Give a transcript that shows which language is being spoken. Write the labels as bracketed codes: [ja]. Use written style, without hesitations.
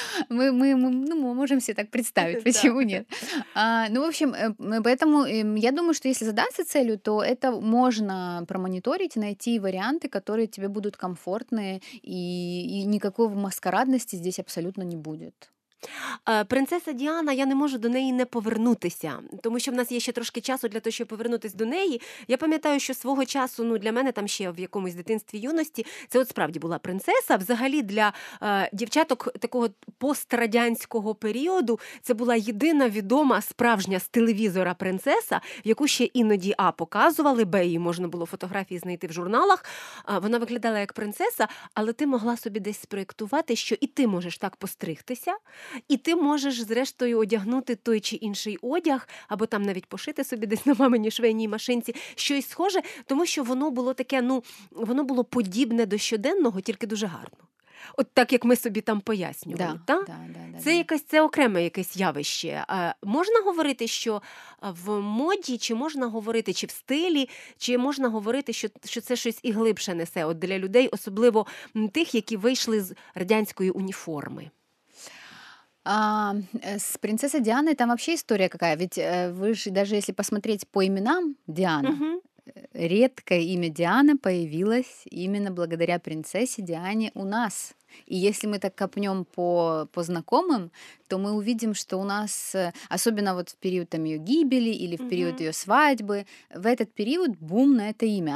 [ru] Мы можем себе так представить, почему нет. Ну, в общем, поэтому я думаю, что если задаться целью, то это можно промониторить, найти варианты, которые тебе будут комфортны, и никакой маскарадности здесь абсолютно не будет. [uk] Принцеса Діана, я не можу до неї не повернутися, тому що в нас є ще трошки часу для того, щоб повернутися до неї. Я пам'ятаю, що свого часу, ну, для мене там ще в якомусь дитинстві, юності, це от справді була принцеса. Взагалі для дівчаток такого пострадянського періоду це була єдина відома справжня з телевізора принцеса, яку ще іноді А показували, Б її можна було фотографії знайти в журналах. Вона виглядала як принцеса, але ти могла собі десь спроєктувати, що і ти можеш так постригтися. І ти можеш, зрештою, одягнути той чи інший одяг, або там навіть пошити собі десь на маминій швейній машинці щось схоже, тому що воно було таке, ну, воно було подібне до щоденного, тільки дуже гарно. От так, як ми собі там пояснювали, [ru] да, [uk] так? [ru] Да, [uk] це якесь, це окреме якесь явище. Можна говорити, що в моді, чи можна говорити, чи в стилі, чи можна говорити, що це щось і глибше несе от для людей, особливо тих, які вийшли з радянської уніформи? [ru] С принцессой Дианой там вообще история какая, ведь вы же, даже если посмотреть по именам Дианы, редкое имя Диана появилось именно благодаря принцессе Диане у нас. И если мы так копнем по знакомым, то мы увидим, что у нас, особенно вот в период там ее гибели или в период ее свадьбы, в этот период бум на это имя.